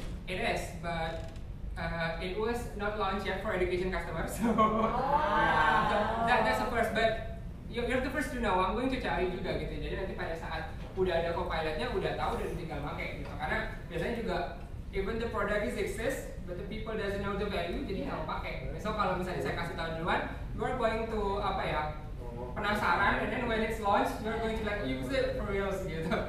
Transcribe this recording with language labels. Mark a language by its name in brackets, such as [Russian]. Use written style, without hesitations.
[English] It is, but it was not launched yet for education customers. That's the first, but you're the first to know. I'm going to tell you juga gitu. [Indonesian] Jadi nanti pada saat udah ada copilotnya, udah tahu dan tinggal pakai gitu. [English] Karena biasanya juga even the product is exist, but the people doesn't know the value, [Indonesian] jadi nggak pakai. So kalau misalnya saya kasih tahu duluan, [English] you're going to [Indonesian] apa ya? Penasaran, [English] and then when it's launched, you're going to like use it for real gitu.